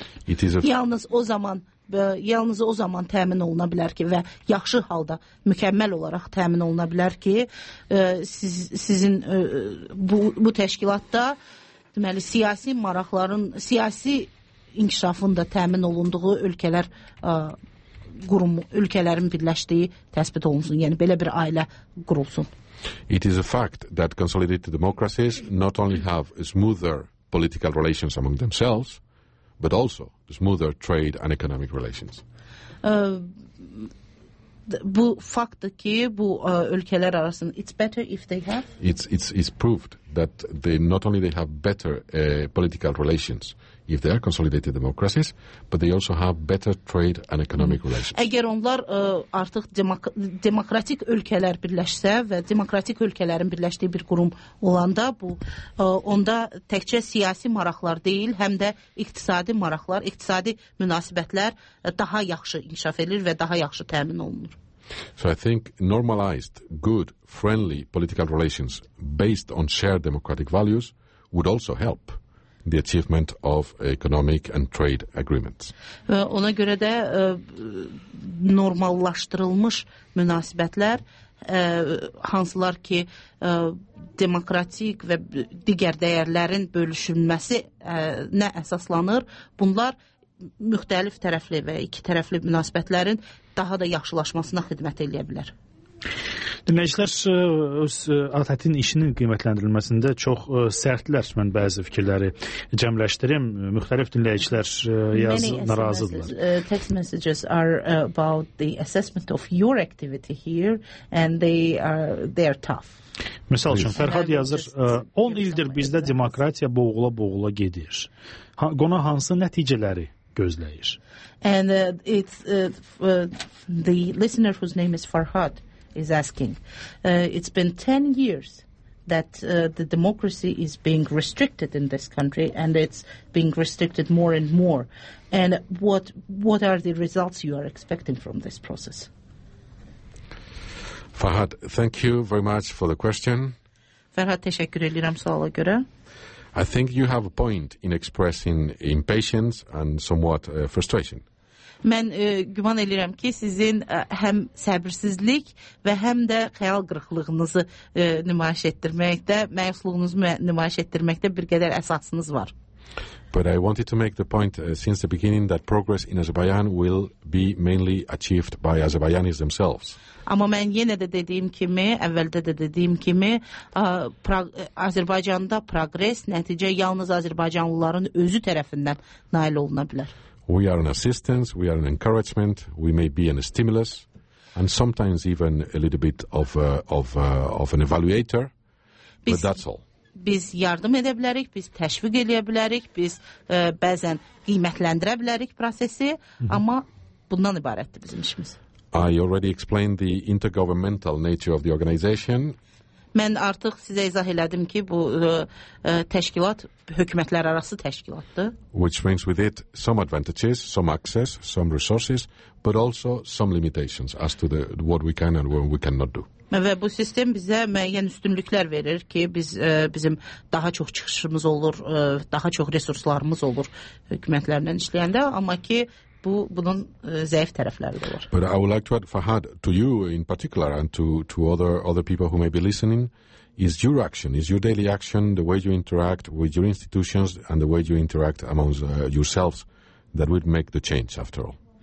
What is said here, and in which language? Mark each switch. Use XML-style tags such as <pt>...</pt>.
<az>Yalnız o zaman təmin oluna bilər ki və yaxşı halda mükəmməl olaraq təmin oluna bilər ki sizin bu təşkilatda deməli siyasi maraqların siyasi inkişafın da təmin olunduğu ölkələr qurumu ölkələrin birləşdiyi təsbit olunsun, yəni belə bir ailə qurulsun.</az> <en>It is a fact that consolidated democracies not only have smoother political relations among themselves but also smoother trade and economic relations.</en> <az>Bu faktdır ki bu ölkələr arasında</az> <en>it's better if they have it's proved that they not only they have better political relations if they are consolidated democracies but they also have better trade and economic relations.</en> <az>Əgər onlar artıq demokratik ölkələr birləşsə və demokratik ölkələrin birləşdiyi bir qurum olanda bu onda təkcə siyasi maraqlar deyil, həm də iqtisadi maraqlar, iqtisadi münasibətlər daha yaxşı inkişaf edir və daha yaxşı təmin olunur.</az> <en>So I think normalized, good, friendly political relations based on shared democratic values would also help the achievement of economic and trade agreements.</en> <az>Ona görə də normallaşdırılmış münasibətlər hansılar ki demokratik və digər dəyərlərin bölüşülməsi nə əsaslanır, bunlar müxtəlif tərəfli və iki tərəfli münasibətlərin daha da yaxşılaşmasına xidmət edə bilər. Dinləyicilər öz ATƏT-in işinin qiymətləndirilməsində çox sərtlər. Mən bəzi fikirləri cəmləşdirim. Müxtəlif dinləyicilər narazıdırlar.</az> <en>Text messages are about the assessment of your activity here and they are tough.</en> <az>Məsəl üçün, Fərhad yazır, 10 ildir bizdə demokratiya boğula-boğula gedir. Qona hansı nəticələri gözləyir?</az> <en>And the listener whose name is Fərhad is asking, it's been 10 years that the democracy is being restricted in this country, and it's being restricted more and more. And what are the results you are expecting from this process? Fahad, thank you very much for the question.</en> <az>Ferhat, teşekkür ederim, sağa göre.</az> <en>I think you have a point in expressing impatience and somewhat frustration.</en> <az>Mən güman edirəm ki, sizin həm səbirsizlik və həm də xəyal qırıqlığınızı nümayiş etdirməkdə, məyusluğunuzu nümayiş etdirməkdə bir qədər əsasınız var.</az> <en>But I wanted to make the point since the beginning that progress in Azerbaijan will be mainly achieved by Azerbaijanis themselves.</en> <az>Amma mən yenə də dediyim kimi, əvvəldə də dediyim kimi, Azərbaycanda progress, nəticə yalnız azərbaycanlıların özü tərəfindən nail oluna bilər.</az> <en>We are an assistance, we are an encouragement, we may be a stimulus, and sometimes even a little bit of an evaluator, but that's all.</en> <az>Biz yardım edə bilərik, biz təşviq eləyə bilərik, biz bəzən qiymətləndirə bilərik prosesi, amma bundan ibarətdir bizim işimiz.</az> <en>I already explained the intergovernmental nature of the organization.</en> <az>Mən artıq sizə izah elədim ki, bu təşkilat hökumətlər arası təşkilatdır.</az> <en>Which brings with it some advantages, some access, some resources, but also some limitations as to what we can and what we cannot do.</en> <az>Və bu sistem bizə müəyyən üstünlüklər verir ki, biz bizim daha çox çıxışımız olur, daha çox resurslarımız olur hökumətlərlə işləyəndə, amma ki bunun zəif tərəfləri də var.</az> <en>But I would like to add, Fahad, to you in particular and to other people who may be listening, is your action, is your daily action, the way you interact with your institutions and the way you interact among yourselves that would make the change after all.</en>